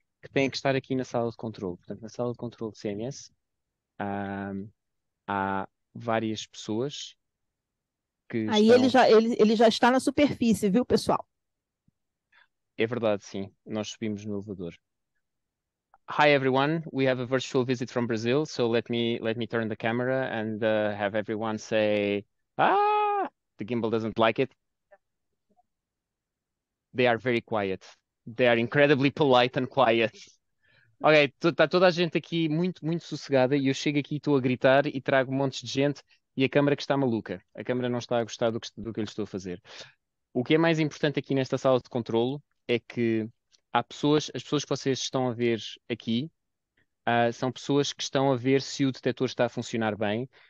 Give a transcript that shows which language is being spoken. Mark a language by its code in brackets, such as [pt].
[pt] Que tem que estar aqui na sala de controle. Portanto, na sala de controle do CMS, há várias pessoas que Aí estão. ele já está na superfície, viu, pessoal? É verdade, sim. Nós subimos no elevador. [en] Hi everyone, we have a virtual visit from Brazil, so let me turn the camera and have everyone say, ah, the gimbal doesn't like it. They are very quiet. They are incredibly polite and quiet. [pt] Ok, está toda a gente aqui muito, muito sossegada e eu chego aqui e estou a gritar e trago um monte de gente e a câmara que está maluca. A câmara não está a gostar do que eu lhe estou a fazer. O que é mais importante aqui nesta sala de controlo é que as pessoas que vocês estão a ver aqui, são pessoas que estão a ver se o detector está a funcionar bem